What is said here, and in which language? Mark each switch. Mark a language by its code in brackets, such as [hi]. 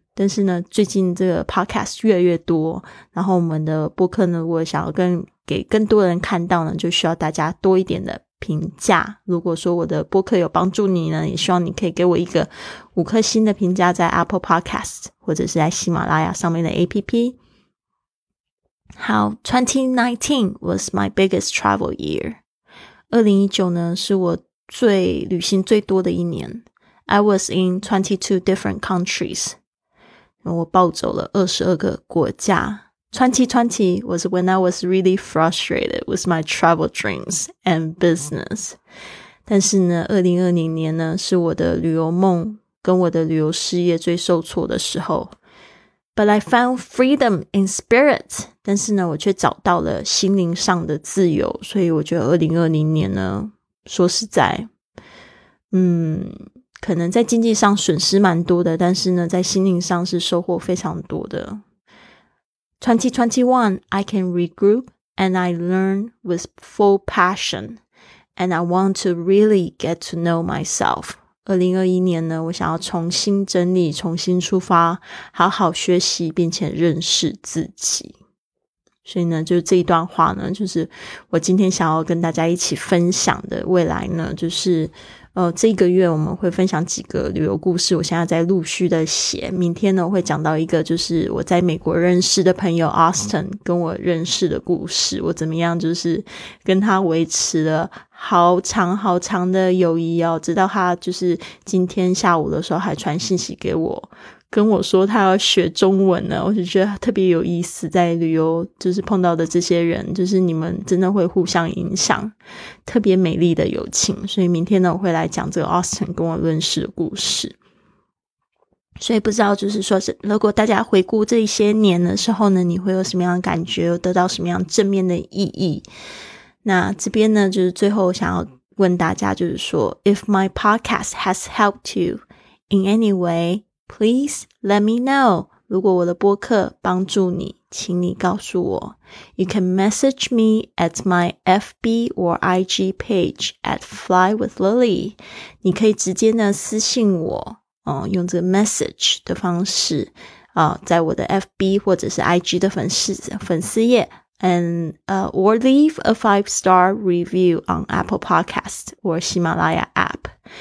[zh] 但是呢，最近这个 podcast 越来越多，然后我们的播客呢，我想要给更多人看到呢，就需要大家多一点的评价。如果说我的播客有帮助你呢，也希望你可以给我一个五颗星的评价，在 Apple Podcast 或者是在喜马拉雅上面的 APP。 [en] 好， 2019 was my biggest travel year. [zh] 2019呢，是我最旅行最多的一年。 [en] I was in 22 different countries. [zh] 我暴走了22个国家。 [en] 2020 was when I was really frustrated with my travel dreams and business. [zh] 但是呢，2020年呢，是我的旅游梦跟我的旅游事业最受挫的时候。 [en] But I found freedom in spirit. [zh] 但是呢，我却找到了心灵上的自由。所以我觉得2020年呢，说实在，可能在经济上损失蛮多的，但是呢，在心灵上是收获非常多的。 [en] 2021, I can regroup and I learn with full passion and I want to really get to know myself. [zh] 2021年呢，我想要重新整理，重新出发，好好学习并且认识自己。所以呢，就这一段话呢，就是我今天想要跟大家一起分享的。未来呢，就是这个月我们会分享几个旅游故事，我现在在陆续的写。明天呢，我会讲到一个就是我在美国认识的朋友 Austin 跟我认识的故事，我怎么样就是跟他维持了好长好长的友谊哦，直到他就是今天下午的时候还传信息给我，跟我说他要学中文呢。我就觉得特别有意思，在旅游就是碰到的这些人，就是你们真的会互相影响，特别美丽的友情。所以明天呢，我会来讲这个 Austin 跟我认识的故事。所以不知道就是说，是如果大家回顾这些年的时候呢，你会有什么样的感觉，有得到什么样正面的意义。那这边呢，就是最后想要问大家，就是说 [en] If my podcast has helped you in any wayPlease let me know. [zh] 如果我的播客帮助你，请你告诉我。 [en] You can message me at my FB or IG page at Fly with Lily. [zh] 你可以直接呢私信我，用这个 message 的方式，在我的 FB 或者是 IG 的粉丝页。 [en] And, or leave a 5-star review on Apple Podcast or 喜马拉雅 App.